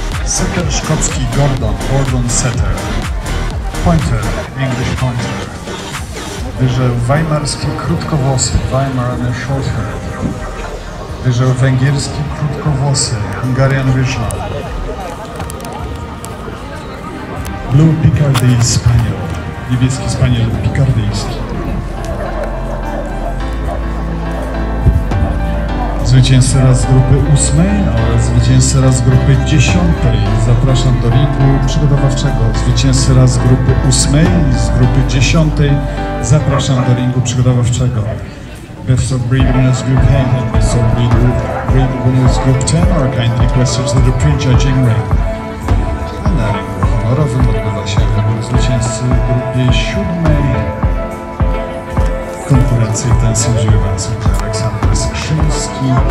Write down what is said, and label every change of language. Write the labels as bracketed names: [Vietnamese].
[Polish] Setter szkocki Gordon, Gordon Setter. Pointer, English Pointer. Wyżeł weimarski krótkowłosy, Weimar and a Shorthair. Wyżeł węgierski krótkowłosy, Hungarian Wyżeł. [English] Blue Picardy Spaniel, [Polish] niebieski spaniel picardyjski. Zwycięzcy raz grupy 8 oraz zwycięzcy raz grupy 10. Zapraszam do ringu przygotowawczego. Zwycięzcy raz grupy 8 i z grupy 10. Zapraszam do ringu przygotowawczego. [English] Best of breed winners group 10 and best of breed winners group 10 are kindly requested to the pre-judging ring. [Polish] A na ringu honorowym odbywa się wybór zwycięzcy grupy 7. Konkurencji ten służy was Aleksander Skrzyński.